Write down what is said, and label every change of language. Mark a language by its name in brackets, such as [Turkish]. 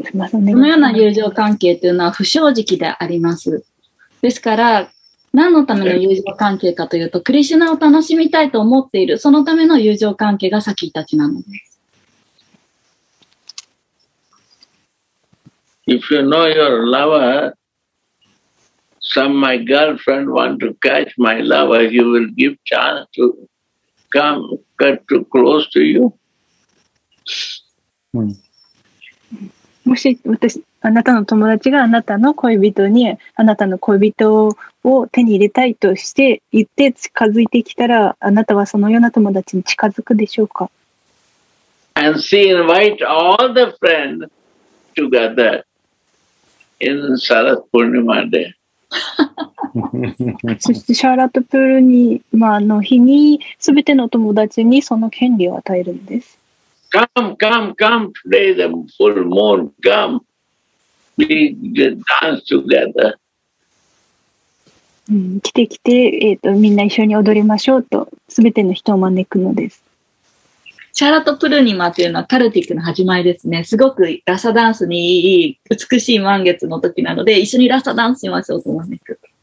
[Japanese] このような友情関係というのは不正直であります。ですから、何のための友情関係かというと、クリシュナを楽しみたいと思っている、そのための友情関係がサキたちなのです。 [English] If you know your lover, some my girlfriend want to catch my lover, you will give chance to come get too close to you. [Japanese] もし私、あなたの友達があなたの恋人に、あなたの恋人を手に入れたいとして言って近づいてきたら、あなたはそのような友達に近づくでしょうか? [English] And she invite all the friends together in Sarat Purnima day. [Japanese] そしてシャーラットプールニマの日に全ての友達にその権利を与えるんです。 [English] Come, come, come, play the full moon, come. We dance together. [Japanese] 来て来て、みんな一緒に踊りましょうと、すべての人を招くのです。シャラトプルニマというのはカルティックの始まりですね。すごくラサダンスにいい、美しい満月の時なので、一緒にラサダンスしましょうと招く。